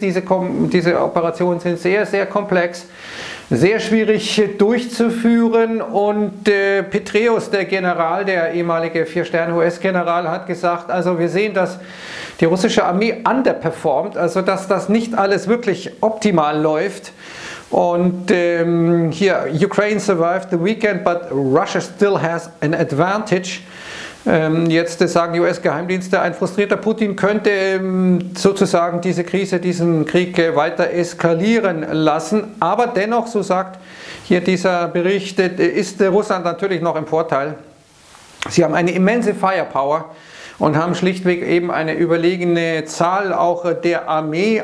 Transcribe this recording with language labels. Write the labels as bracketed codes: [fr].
[de] Diese Operationen sind sehr, sehr komplex, sehr schwierig durchzuführen und Petraeus, der General, der ehemalige 4-Sterne-US-General, hat gesagt, also wir sehen, dass die russische Armee underperformt, also dass das nicht alles wirklich optimal läuft. Und hier, [en] Ukraine survived the weekend, but Russia still has an advantage. [de] Jetzt sagen US-Geheimdienste, ein frustrierter Putin könnte sozusagen diese Krise, diesen Krieg weiter eskalieren lassen. Aber dennoch, so sagt hier dieser Bericht, ist Russland natürlich noch im Vorteil. Sie haben eine immense Firepower und haben schlichtweg eben eine überlegene Zahl auch der Armee.